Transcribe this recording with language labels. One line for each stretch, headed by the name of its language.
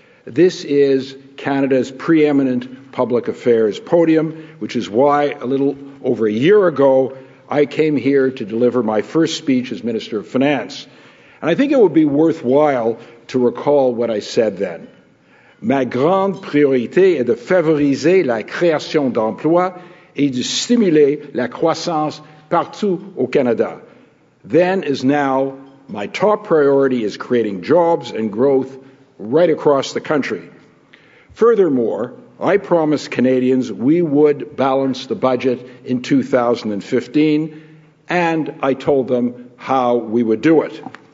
English: This is Canada's preeminent public affairs podium, which is why a little over a year ago, I came here to deliver my first speech as Minister of Finance. And I think it would be worthwhile to recall what I said then.
French: Ma grande priorité est de favoriser la création d'emplois et de stimuler la croissance partout au Canada.
English: Then as now, my top priority is creating jobs and growth right across the country. Furthermore, I promised Canadians we would balance the budget in 2015, and I told them how we would do it.